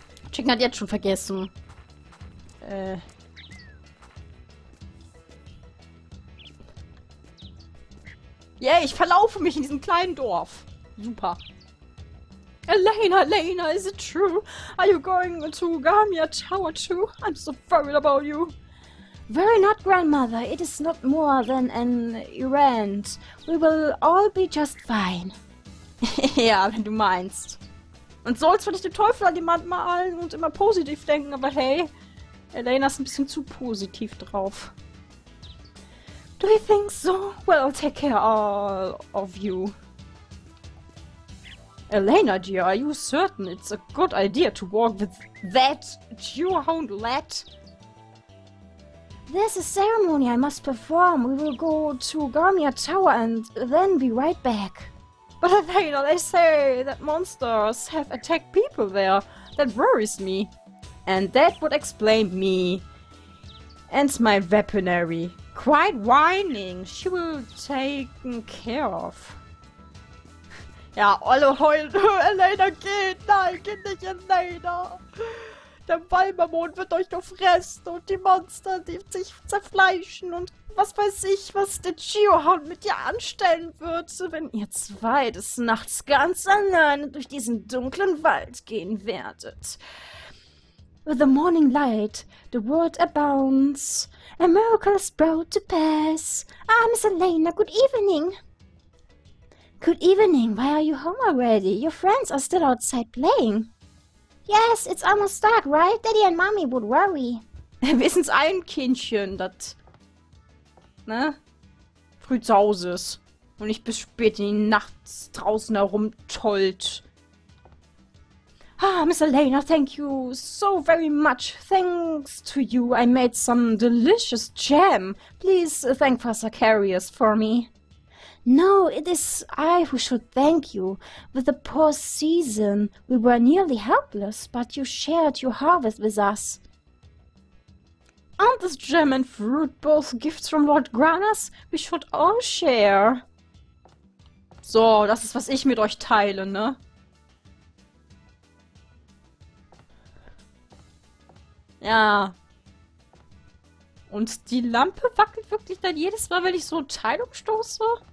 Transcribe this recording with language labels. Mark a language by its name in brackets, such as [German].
[German] Chick hat jetzt schon vergessen. Yay, yeah, ich verlaufe mich in diesem kleinen Dorf. Super. [English] Elena, Elena, is it true? Are you going to Garmia Tower too? I'm so worried about you. Worry not, Grandmother. It is not more than an errand. We will all be just fine. [German] Ja, wenn du meinst. Und sollst du nicht den Teufel an die Wand malen und immer positiv denken, aber hey, Elena ist ein bisschen zu positiv drauf. Do you think so? Well, I'll take care all of you. Elena, dear, are you certain it's a good idea to walk with that Geohound lad? There's a ceremony I must perform. We will go to Garmia Tower and then be right back. But Elena, they say that monsters have attacked people there. That worries me. And that would explain me and my weaponry. Quite whining. She will take care of. Ja, alle heulen. Elena geht. Nein, geht nicht, Elena. Der Walmermond wird euch nur fressen und die Monster, die sich zerfleischen und was weiß ich, was der Geohound mit dir anstellen wird, wenn ihr zwei des Nachts ganz alleine durch diesen dunklen Wald gehen werdet. [English] With the morning light, the world abounds. A miracle is brought to pass. Ah, Miss Elena, good evening. Good evening. Why are you home already? Your friends are still outside playing. Yes, it's almost dark, right? Daddy and Mommy would worry. [German] Wissen's ein Kindchen, dat... Ne? Früh zu Hause ist. Und nicht bis spät in die Nacht draußen herumtollt. [English] Ah, Miss Elena, thank you so very much. Thanks to you, I made some delicious jam. Please thank Father Carius for me. No, it is I who should thank you. With the poor season, we were nearly helpless, but you shared your harvest with us. Aren't this jam and fruit both gifts from Lord Granas? We should all share. [German] So, das ist, was ich mit euch teile, ne? Ja. Und die Lampe wackelt wirklich dann jedes Mal, wenn ich so eine Teilung stoße?